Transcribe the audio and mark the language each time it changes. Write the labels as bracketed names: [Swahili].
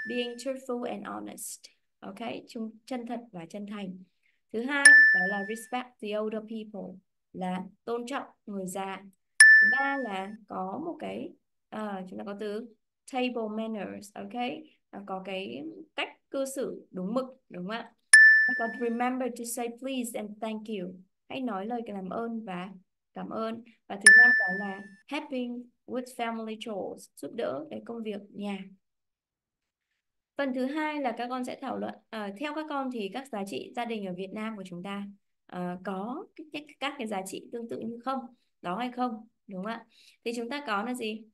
[English] Being truthful and honest. Ok, [Vietnamese] chân thật và chân thành. Thứ hai đó là [English] respect the older people, [Vietnamese] là tôn trọng người già. Thứ ba là có một cái chúng ta có từ table manners, ok? Nó có cái cách cư xử đúng mực, đúng không ạ? [English] Còn remember to say please and thank you. [Vietnamese] Hãy nói lời cảm ơn và cảm ơn. Và thứ năm đó là helping with family chores, giúp đỡ cái công việc nhà. Phần thứ hai là các con sẽ thảo luận. Theo các con thì các giá trị gia đình ở Việt Nam của chúng ta có các cái giá trị tương tự như không? Đó hay không? Đúng không ạ? Thì chúng ta có là gì?